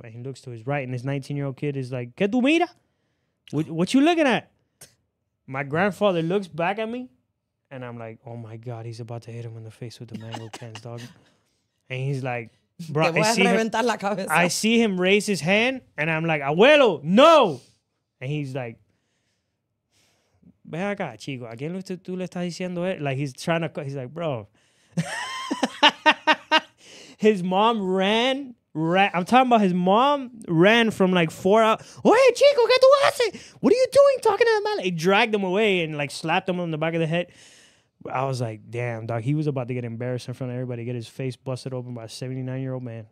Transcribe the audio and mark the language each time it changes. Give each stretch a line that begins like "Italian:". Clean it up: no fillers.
English: And he looks to his right and this 19 year old kid is like,
Spanish: ¿Qué tú mira?
English: What you looking at? My grandfather looks back at me and I'm like, oh my God, he's about to hit him in the face with the mango cans, dog. And he's like, bro, I see him raise his hand and I'm like, abuelo, no. And he's like,
Spanish: ven acá, chico, ¿a quién tú le estás diciendo eso?
English: Like, he's trying to, he's like, bro. His mom ran, I'm talking about his mom ran from like 4 hours.
Spanish: Oye, chico, ¿qué tú haces?
English: What are you doing talking to the man? He dragged him away and like slapped him on the back of the head. I was like, damn, dog. He was about to get embarrassed in front of everybody, get his face busted open by a 79-year-old man.